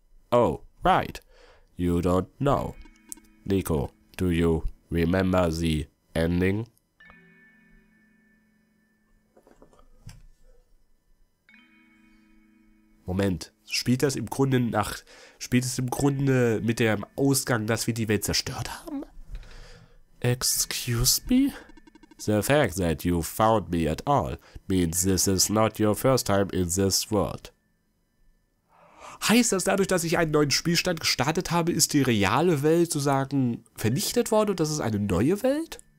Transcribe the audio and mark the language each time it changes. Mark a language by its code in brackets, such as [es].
[en] Oh, right. You don't know. Nico, do you remember the ending? [de] Moment, spielt es im Grunde mit dem Ausgang, dass wir die Welt zerstört haben? [en] Excuse me? The fact that you found me at all means this is not your first time in this world. [de] Heißt das, dadurch, dass ich einen neuen Spielstand gestartet habe, ist die reale Welt sozusagen vernichtet worden und das ist eine neue Welt?